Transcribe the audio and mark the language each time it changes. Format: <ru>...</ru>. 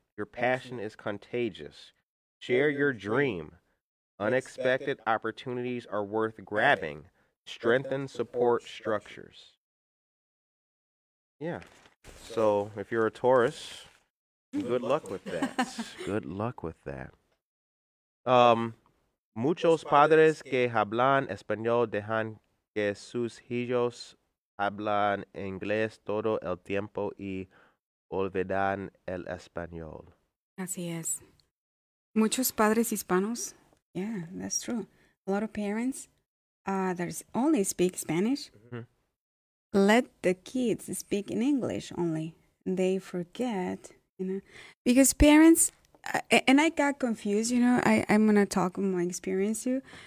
<en>Your passion is contagious. Share your dream. Unexpected opportunities are worth grabbing. Strengthen support structures. Yeah. So if you're a Taurus, good luck with that. Good luck with that.</en> <es>Muchos padres que hablan español dejan que sus hijos hablan inglés todo el tiempo y olvidan el español. Así es. Muchos padres hispanos.</es> <en>Yeah, that's true. A lot of parents that only speak Spanish. Mm-hmm. Let the kids speak in English only. They forget, you know, because parents, and I got confused, you know, I'm going to talk from my experience too.</en>